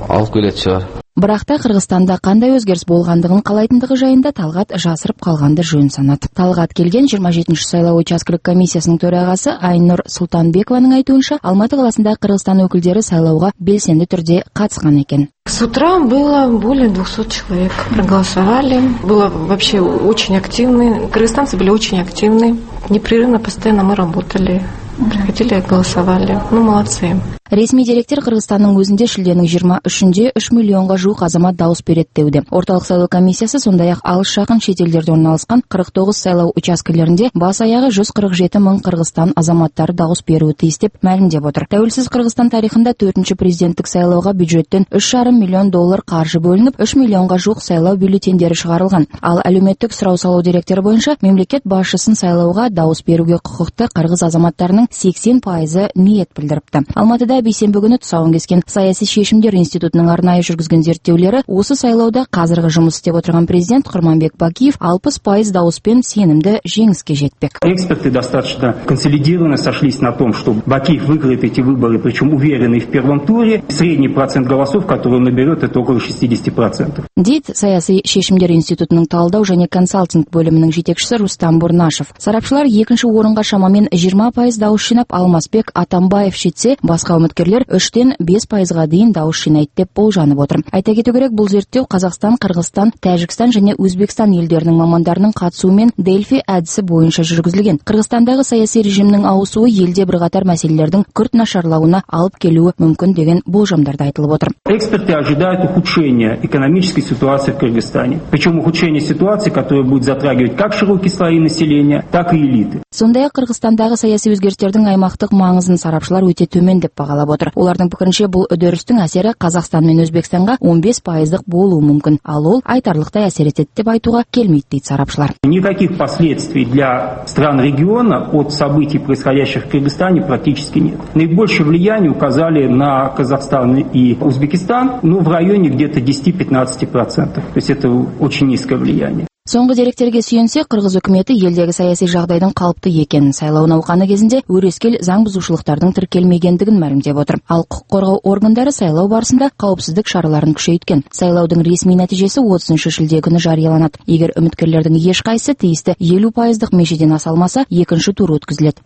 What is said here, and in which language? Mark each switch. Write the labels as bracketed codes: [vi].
[kk] Алып келеді шығар. Бірақ та Қырғызстанда қандай өзгеріс болғандығын қалайтындығы жайында Талғат жасырып қалғанды жөн санады. Талғат келген 27-ші сайлау учаскелік комиссиясының төрағасы Айнұр Сұлтанбекованың айтуынша, Алматы қаласында Қырғызстан өкілдері сайлауға белсенді түрде қатысқан екен. [ru] С утра было более 200 человек проголосовали. Было вообще очень активно. Кыргызстанцы были очень активны. Непрерывно постоянно мы работали. Приходили, голосовали. Ну, молодцы. [kk] Ресми деректер Қырғызстанның өзінде шілденің 23-інде 3 миллионға жуық азамат дауыс береді деуде. Орталық сайлау комиссиясы сондай-ақ алыс жақын шетелдерде орналасқан 49 сайлау учаскелерінде бас аяғы 147 мың Қырғызстан азаматтары дауыс беруі тиіс деп мәлімдеп отыр. Тәуелсіз Қырғызстан тарихында 4-ші президенттік сайлауға бюджеттен 3,5 миллион доллар қаржы бөлініп, 3 миллионға жуық сайлау бюллетендері шығарылған. Ал әлеуметтік сұрау салу деректері бойынша мемлекет басшысын сайлауға дауыс беруге құқықты қырғыз азаматтарының 80% ниет білдіріпті. Алматыда бейсенбі күні тұсауын кескен саяси шешімдер институтының арнайы жүргізген зерттеулері осы сайлауда қазіргі жұмыс істеп отырған президент Құрманбек Бакиев 60% дауыспен сенімді жеңіске жетпек. [ru] Эксперты достаточно консолидированно сошлись на том, что Бакиев выиграет эти выборы, причем уверенный в первом туре. Средний процент голосов, который он наберет, это около 60%. [kk] Дейді саяси шешімдер институтының талдау және консалтинг бөлімінің жетекшісі Рустам Бурнашев. Сарапшылар екінші орынға шамамен 20% дауыс жинап Алмасбек Атамбаев жетсе, басқа үміткерлер 3-5%-ға дейін дауыс жинайды деп болжанып отыр. Айта кету керек, бұл зерттеу Қазақстан, Қырғызстан, Тәжікстан және Өзбекстан елдерінің мамандарының қатысуымен Дельфи әдісі бойынша жүргізілген. Қырғызстандағы саяси режимнің ауысуы елде бірқатар мәселелердің күрт нашарлауына алып келуі мүмкін деген болжамдар да айтылып отыр. [ru] Эксперты ожидают ухудшения экономической ситуации в Кыргызстане. Причем ухудшение ситуации, которое будет затрагивать как широкие слои населения, так и элиты. [kk] Сондай-ақ Қырғызстандағы саяси өзгерістердің аймақтық маңызын сарапшылар өте төмен деп бағалап отыр. Олардың пікірінше, бұл үдерістің әсері Қазақстан мен Өзбекстанға 15%-дық болуы мүмкін. Ал ол айтарлықтай әсер етеді деп айтуға келмейді дейді сарапшылар. [ru] Никаких последствий для стран региона от событий, происходящих в Кыргызстане, практически нет. Наибольшее влияние указали на Казахстан и Узбекистан, но в районе где-то 10-15%. То есть это очень низкое влияние. [kk] Соңғы деректерге сүйенсе, Қырғыз үкіметі елдегі саяси жағдайдың қалыпты екенін сайлау науқаны кезінде өрескел заңбұзушылықтардың тіркелмегендігін мәлімдеп отыр. Ал құқық қорғау органдары сайлау барысында қауіпсіздік шараларын күшейткен. Сайлаудың ресми нәтижесі 30 шілде күні жарияланады. Егер үміткерлердің ешқайсысы тиісті 50%-дық межеден аса алмаса, екінші тур өткізіледі.